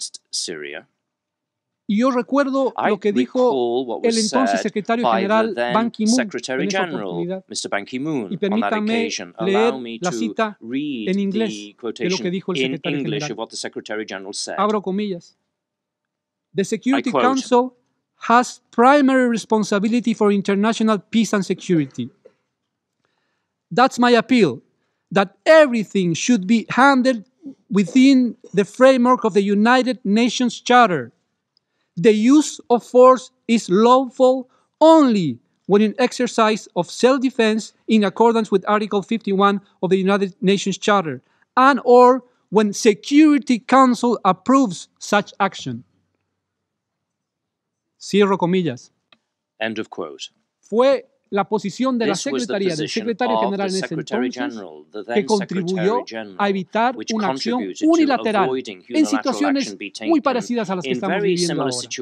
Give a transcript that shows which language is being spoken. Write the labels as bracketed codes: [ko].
[es] Siria. Y yo recuerdo lo que dijo el entonces secretario general Ban Ki-moon en esa oportunidad. Mr. Ban Ki-moon, y permítame leer la cita en inglés de lo que dijo el secretario general. Abro comillas. [en] The Security Council has primary responsibility for international peace and security. That's my appeal, that everything should be handled within the framework of the United Nations Charter. The use of force is lawful only when in exercise of self-defense in accordance with Article 51 of the United Nations Charter and or when Security Council approves such action. [es] Cierro comillas. [en] End of quote. [es] Fue la posición de la Secretaría, del Secretario General en ese entonces, que contribuyó a evitar una acción unilateral en situaciones muy parecidas a las que estamos viviendo ahora.